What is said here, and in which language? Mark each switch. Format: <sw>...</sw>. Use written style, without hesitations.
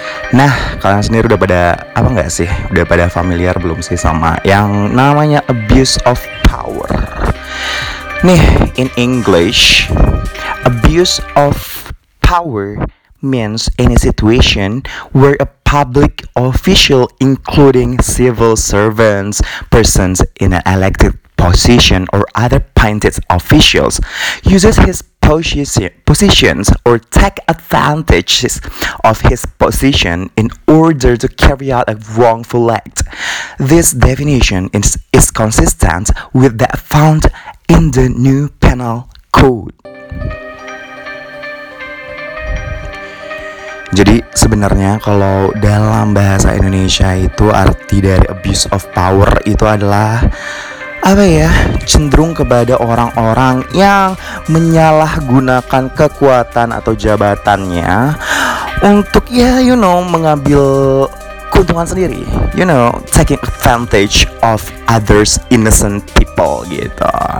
<id>Nah, kalian sendiri udah pada apa enggak sih? Udah pada familiar belum sih sama yang namanya abuse of power?</id> <en>Nih, in English, abuse of power means any situation where a public official, including civil servants, persons in an elected position, or other appointed officials, uses his positions or take advantages of his position in order to carry out a wrongful act. This definition is consistent with that found in the new penal code.</en> <id>Jadi sebenarnya kalau dalam bahasa Indonesia itu arti dari abuse of power itu adalah apa ya, cenderung kepada orang-orang yang menyalahgunakan kekuatan atau jabatannya untuk ya mengambil keuntungan sendiri,</id> <en>taking advantage of others innocent people</en> <id>gitu.</id>